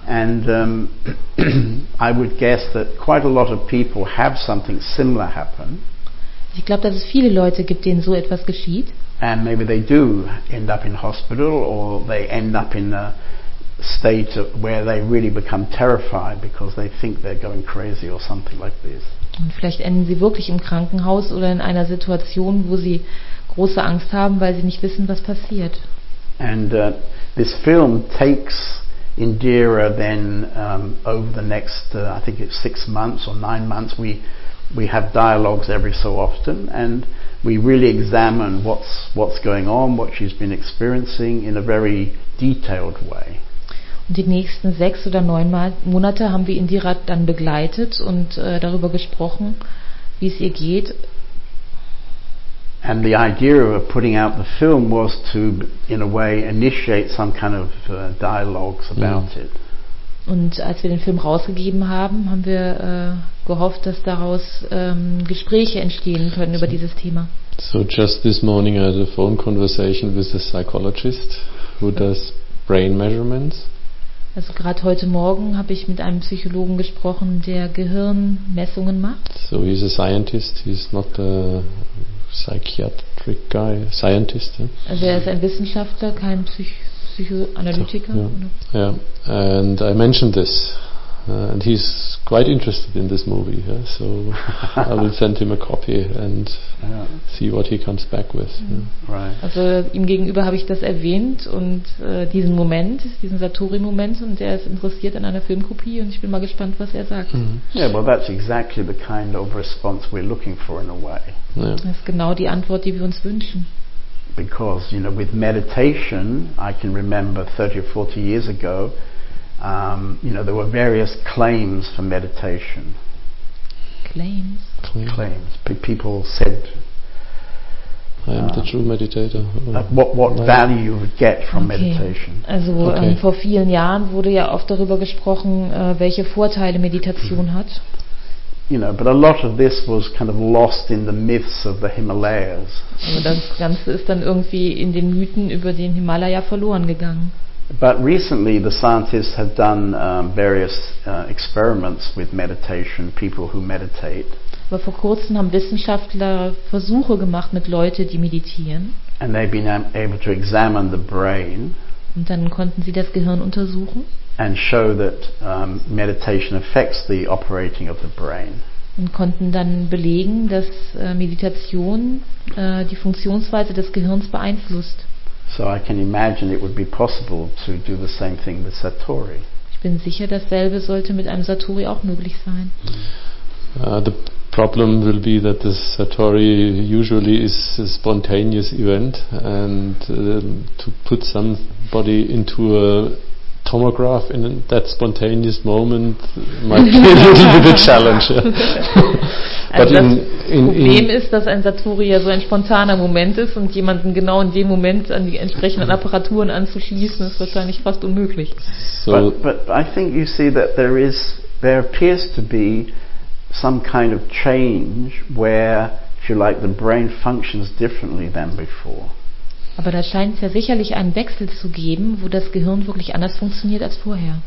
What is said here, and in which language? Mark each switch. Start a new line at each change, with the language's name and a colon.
English: And I would guess that quite a lot of people have something similar happen.
German: Ich glaube, dass es viele Leute gibt, denen so etwas geschieht.
English: And maybe they do end up in hospital or they end up in a state where they really become terrified because they think they're going crazy or something like this.
German: Und vielleicht enden sie wirklich im Krankenhaus oder in einer Situation, wo sie große Angst haben, weil sie nicht wissen, was passiert.
English: And this film takes Indira then over the next I think it's 6 months or 9 months we have dialogues every so often and we really examine what's going on, what she's been experiencing in a very detailed way.
German: Und die nächsten 6 oder 9 Monate haben wir Indira dann begleitet und darüber gesprochen, wie es ihr geht.
English: And the idea of putting out the film was to, in a way, initiate some kind of dialogues about it.
German: Und als wir den Film rausgegeben haben, haben wir gehofft, dass daraus Gespräche entstehen können über dieses Thema.
English: So just this morning I had a phone conversation with a psychologist who does brain measurements.
German: Also gerade heute Morgen habe ich mit einem Psychologen gesprochen, der Gehirnmessungen macht.
English: So he's a scientist, he's not a psychiatric guy, scientist. Yeah.
German: Also er ist ein Wissenschaftler, kein Psychoanalytiker.
English: Yeah. And I mentioned this And he's quite interested in this movie, yeah? So I will send him a copy and see what he comes back with. Yeah. Right.
German: Also ihm gegenüber habe ich das erwähnt und diesen Moment, diesen Satori-Moment, und er ist interessiert an einer Filmkopie und ich bin mal gespannt, was er sagt. Mm-hmm.
English: Yeah, well, that's exactly the kind of response we're looking for in a way. Yeah.
German: Das ist genau die Antwort, die wir uns wünschen.
English: Because, you know, with meditation, I can remember 30 or 40 years ago, you know, there were various claims for meditation. Claims? Claims. People said, I am the true meditator. What value you would get from meditation.
German: Also vor vielen Jahren wurde ja oft darüber gesprochen, welche Vorteile Meditation hat.
English: You know, but a lot of this was kind of lost in the myths of the Himalayas.
German: Aber das Ganze ist dann irgendwie in den Mythen über den Himalaya verloren gegangen.
English: But recently the scientists have done various experiments with meditation, people who meditate.
German: Aber vor kurzem haben Wissenschaftler Versuche gemacht mit Leuten, die meditieren.
English: And they've been able to examine the brain.
German: Und dann konnten sie das Gehirn untersuchen.
English: And show that meditation affects the operating of the brain.
German: Und konnten dann belegen, dass Meditation die Funktionsweise des Gehirns beeinflusst.
English: So I can imagine it would be possible to do the same thing with Satori.
German: Ich bin sicher, dasselbe sollte mit einem Satori auch möglich sein.
English: The problem will be that the Satori usually is a spontaneous event, and to put somebody into a tomograph in that spontaneous moment might be a little bit a challenge.
German: Also Problem ist, dass ein Satori ja so ein spontaner Moment ist und jemanden genau in dem Moment an die entsprechenden Apparaturen anzuschließen, ist wahrscheinlich fast unmöglich.
English: So but I think you see that there appears to be some kind of change where, if you like, the brain functions differently than before.
German: Aber da scheint es ja sicherlich einen Wechsel zu geben, wo das Gehirn wirklich anders funktioniert als vorher.